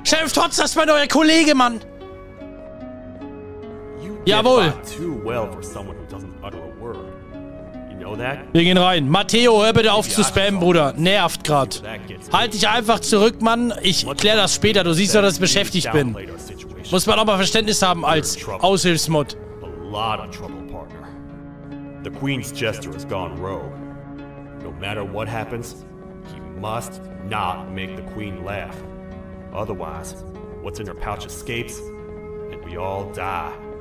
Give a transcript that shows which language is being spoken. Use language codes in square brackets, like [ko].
[de] Sheriff Tots, das ist mein neuer Kollege, Mann! [en] You [de] Jawohl! [en] Too well for someone who doesn't utter a word. You know that? [de] Wir gehen rein. Matteo, hör bitte auf zu spammen, Bruder. Nervt gerade. Halt dich einfach zurück, Mann. Ich klär das später. Du siehst ja, dass ich beschäftigt bin. Muss man auch mal Verständnis haben als Aushilfsmod. [en] A lot of trouble, partner. The Queen's Jester has gone rogue. No matter what happens, he must not make the Queen laugh. Otherwise, what's in her pouch escapes, and we all die.